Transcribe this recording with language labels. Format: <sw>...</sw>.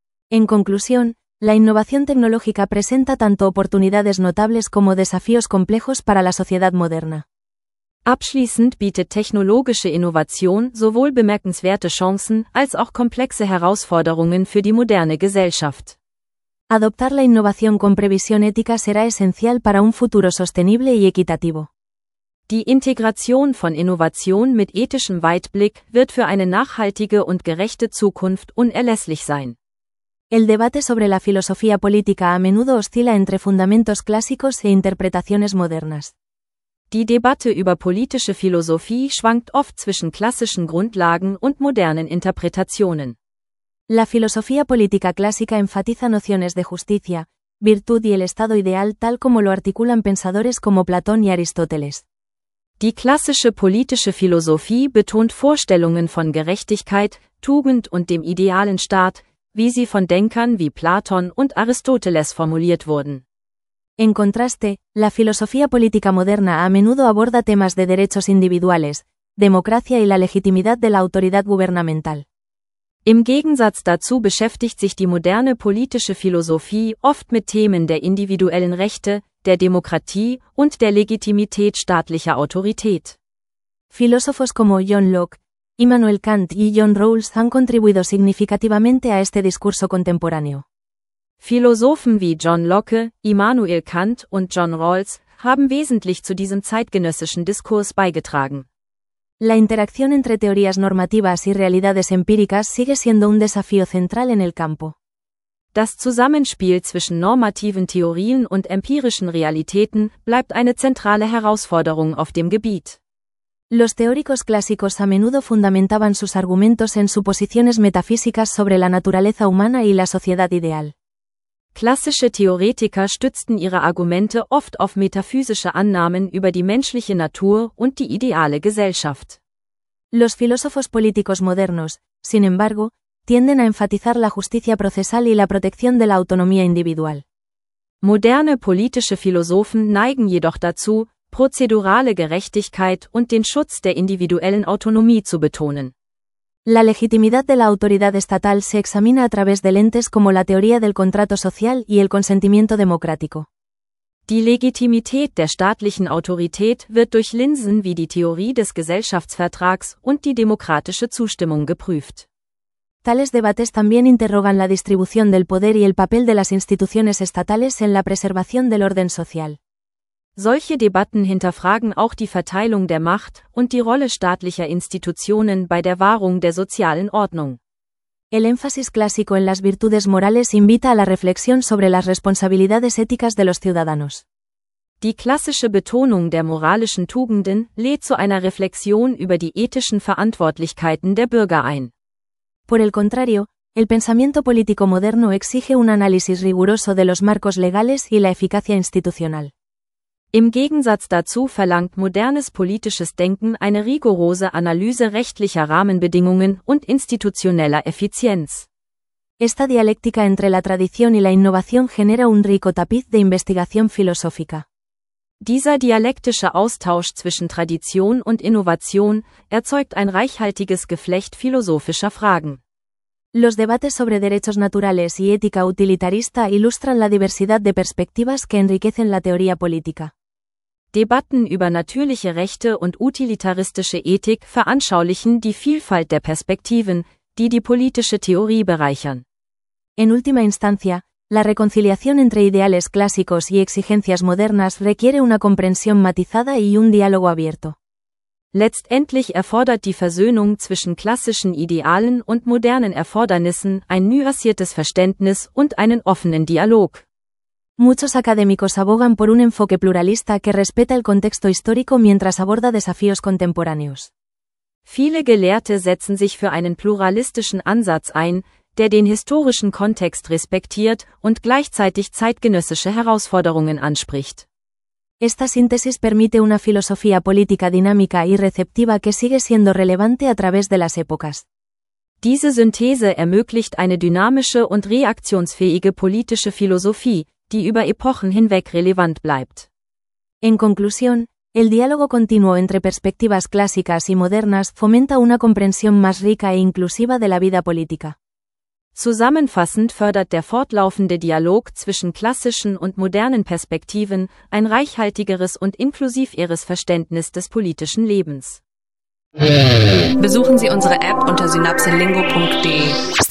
<es>En conclusión, la innovación tecnológica presenta tanto oportunidades notables como desafíos complejos para la sociedad moderna.</es> <de>Abschließend bietet technologische Innovation sowohl bemerkenswerte Chancen als auch komplexe Herausforderungen für die moderne Gesellschaft.</de> <es>Adoptar la innovación con previsión ética será esencial para un futuro sostenible y equitativo.</es> <de>Die Integration von Innovation mit ethischem Weitblick wird für eine nachhaltige und gerechte Zukunft unerlässlich sein.</de> <es>El debate sobre la filosofía política a menudo oscila entre fundamentos clásicos e interpretaciones modernas.</es> <de>Die Debatte über politische Philosophie schwankt oft zwischen klassischen Grundlagen und modernen Interpretationen.</de> <es>La filosofía política clásica enfatiza nociones de justicia, virtud y el estado ideal tal como lo articulan pensadores como Platón y Aristóteles.</es> <de>Die klassische politische Philosophie betont Vorstellungen von Gerechtigkeit, Tugend und dem idealen Staat, wie sie von Denkern wie Platon und Aristóteles formuliert wurden.</de> <es>En contraste, la filosofía política moderna a menudo aborda temas de derechos individuales, democracia y la legitimidad de la autoridad gubernamental.</es> <de>Im Gegensatz dazu beschäftigt sich die moderne politische Philosophie oft mit Themen der individuellen Rechte, der Demokratie und der Legitimität staatlicher Autorität.</de> <es>Filósofos como John Locke, Immanuel Kant y John Rawls han contribuido significativamente a este discurso contemporáneo.</es> <de>Philosophen wie John Locke, Immanuel Kant und John Rawls haben wesentlich zu diesem zeitgenössischen Diskurs beigetragen.</de> <es>La interacción entre teorías normativas y realidades empíricas sigue siendo un desafío central en el campo.</es> <de>Das Zusammenspiel zwischen normativen Theorien und empirischen Realitäten bleibt eine zentrale Herausforderung auf dem Gebiet.</de> <es>Los teóricos clásicos a menudo fundamentaban sus argumentos en suposiciones metafísicas sobre la naturaleza humana y la sociedad ideal.</es> <de>Klassische Theoretiker stützten ihre Argumente oft auf metaphysische Annahmen über die menschliche Natur und die ideale Gesellschaft.</de> <es>Los filósofos políticos modernos, sin embargo, tienden a enfatizar la justicia procesal y la protección de la autonomía individual.</es> <de>Moderne politische Philosophen neigen jedoch dazu, prozedurale Gerechtigkeit und den Schutz der individuellen Autonomie zu betonen.</de> <es>La legitimidad de la autoridad estatal se examina a través de lentes como la teoría del contrato social y el consentimiento democrático.</es> <de>Die Legitimität der staatlichen Autorität wird durch Linsen wie die Theorie des Gesellschaftsvertrags und die demokratische Zustimmung geprüft.</de> <es>Tales debates también interrogan la distribución del poder y el papel de las instituciones estatales en la preservación del orden social.</es> <de>Solche Debatten hinterfragen auch die Verteilung der Macht und die Rolle staatlicher Institutionen bei der Wahrung der sozialen Ordnung.</de> <es>El énfasis clásico en las virtudes morales invita a la reflexión sobre las responsabilidades éticas de los ciudadanos.</es> <de>Die klassische Betonung der moralischen Tugenden lädt zu einer Reflexion über die ethischen Verantwortlichkeiten der Bürger ein.</de> <es>Por el contrario, el pensamiento político moderno exige un análisis riguroso de los marcos legales y la eficacia institucional.</es> <de>Im Gegensatz dazu verlangt modernes politisches Denken eine rigorose Analyse rechtlicher Rahmenbedingungen und institutioneller Effizienz.</de> <es>Esta dialéctica entre la tradición y la innovación genera un rico tapiz de investigación filosófica.</es> <de>Dieser dialektische Austausch zwischen Tradition und Innovation erzeugt ein reichhaltiges Geflecht philosophischer Fragen.</de> <es>Los debates sobre derechos naturales y ética utilitarista ilustran la diversidad de perspectivas que enriquecen la teoría política.</es> <de>Debatten über natürliche Rechte und utilitaristische Ethik veranschaulichen die Vielfalt der Perspektiven, die die politische Theorie bereichern.</de> <es>En última instancia, la reconciliación entre ideales clásicos y exigencias modernas requiere una comprensión matizada y un diálogo abierto.</es> <de>Letztendlich erfordert die Versöhnung zwischen klassischen Idealen und modernen Erfordernissen ein nuanciertes Verständnis und einen offenen Dialog.</de> <es>Muchos académicos abogan por un enfoque pluralista que respeta el contexto histórico mientras aborda desafíos contemporáneos.</es> <de>Viele Gelehrte setzen sich für einen pluralistischen Ansatz ein, der den historischen Kontext respektiert und gleichzeitig zeitgenössische Herausforderungen anspricht.</de> <es>Esta síntesis permite una filosofía política dinámica y receptiva que sigue siendo relevante a través de las épocas.</es> <de>Diese Synthese ermöglicht eine dynamische und reaktionsfähige politische Philosophie, die über Epochen hinweg relevant bleibt.</de> <es>En conclusión, el diálogo continuo entre perspectivas clásicas y modernas fomenta una comprensión más rica e inclusiva de la vida política.</es> <de>Zusammenfassend fördert der fortlaufende Dialog zwischen klassischen und modernen Perspektiven ein reichhaltigeres und inklusiveres Verständnis des politischen Lebens. Besuchen Sie unsere App unter synapselingo.de.</de>